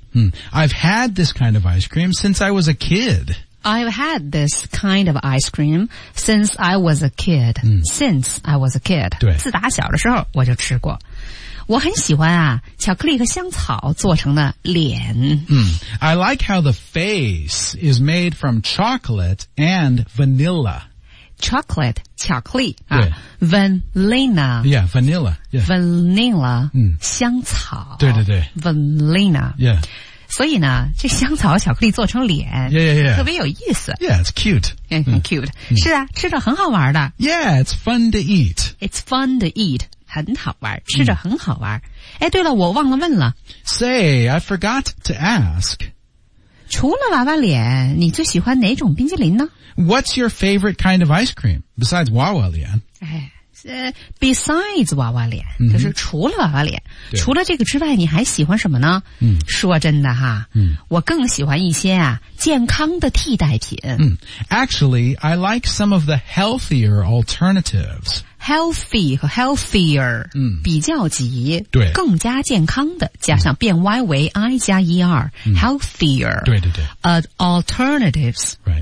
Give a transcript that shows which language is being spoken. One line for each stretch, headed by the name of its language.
English: 嗯、I've had this kind of ice cream since I was a kid I've had this kind of ice cream since I was a kid.、嗯、 since I was a kid.
Chinese: 对。自打小的时候我就吃过。我很喜欢啊巧克力和香草做成的脸。嗯。
English: I like how the face is made from chocolate and vanilla. Chocolate, 巧克力。
Chinese: 对。
English: 啊、vanilla. Yeah, vanilla. Yeah. Vanilla,、嗯、
Chinese: 香草。对对对。
English: Vanilla. Yeah.
Chinese: 所以呢这香草巧克力做成脸
English: yeah, yeah, yeah.
Chinese: 特别有意思
English: Yeah, it's cute yeah, cute、
Chinese: mm. 是啊吃着很好玩的
English: Yeah, it's fun to eat It's fun to eat
Chinese: 很好玩吃着很好玩、mm. 哎，对了我忘了问了
English: Say, I forgot to ask
Chinese: 除了娃娃脸你最喜欢哪种冰淇淋呢
English: What's your favorite kind of ice cream besides 娃娃脸哎、besides 娃娃脸、mm-hmm.
Chinese: 就是除了娃娃脸除了这个之外你还喜欢什么呢、嗯、说真的哈、嗯、我更喜欢一些啊健康的替代品、
English: 嗯、Actually, I like some of the healthier alternatives
Chinese: Healthy 和 healthier、嗯、比较级对更加健康的加上变 Y 为 I 加 ER、嗯、Healthier 对对对
English: Alternatives、 right.